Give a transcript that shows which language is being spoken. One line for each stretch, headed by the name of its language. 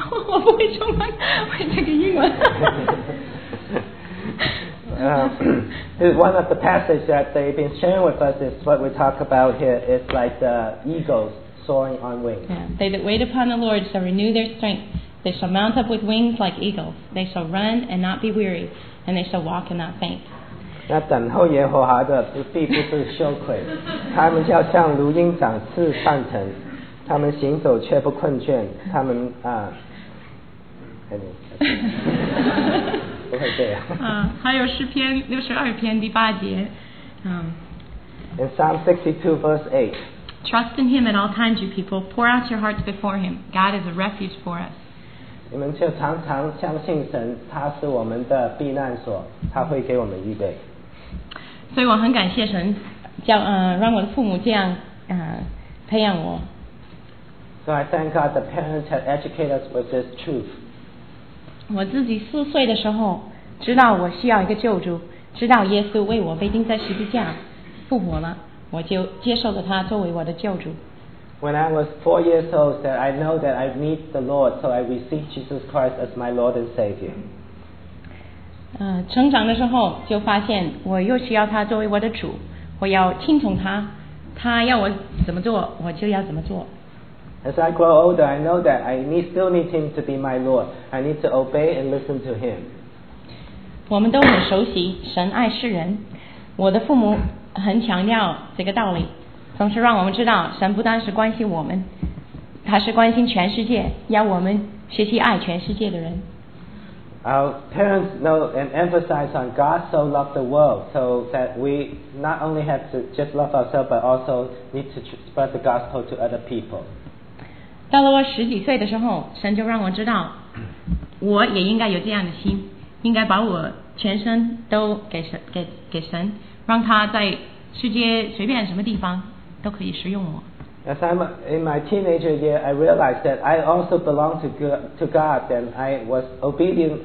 Chinese: 我不会中文，会这个英文。
English: One of the passages that they've been sharing with us is what we talk about here. It's like the eagles soaring on wings. Yeah, they that wait upon the Lord shall renew their strength. They shall mount up with wings like eagles. They shall run and not be weary, and they shall walk and not faint.
Chinese: 那等候耶和华的必不是羞愧，他们要像如鹰展翅上腾。他们行走却不困倦，他们啊，不会这样。还有诗篇六十二篇第八节，
English: In Psalm 62 verse 8. Trust in Him at all times, you people. Pour out your hearts before Him. God is a refuge for us.
Chinese: 你们就常常相信神，他是我们的避难所，他会给我们预备。所以我很感谢神，叫让我的父母这样培养我。
English: So I thank God the parents had educated us with this truth.
Chinese: 我自己四岁的时候，知道我需要一个救主，知道耶稣为我被钉在十字架，复活了，我就接受了他作为我的救主。
English: When I was 4 years old, that I know that I need the Lord, so I received Jesus Christ as my Lord and Savior.
Chinese: 成长的时候就发现我又需要他作为我的主，我要听从他，他要我怎么做，我就要怎么做。
English: As I grow older, I know that I still need him to be my Lord. I need to obey and listen to him.
Chinese: 我们都很熟悉神爱世人。我的父母很强调这个道理，同时让我们知道神不单是关心我们，他是关心全世界，要我们学习爱全世界的人。
English: Our parents know and emphasize on God so loved the world, so that we not only have to just love ourselves, but also need to spread the gospel to other people.
Chinese: 到了我十几岁的时候，神就让我知道，我也应该有这样的心，应该把我全身都给神，让他在世界随便什么地方都可以使用我。
English: As I'm in my teenager year, I realized that I also belong to God, and I was obedient.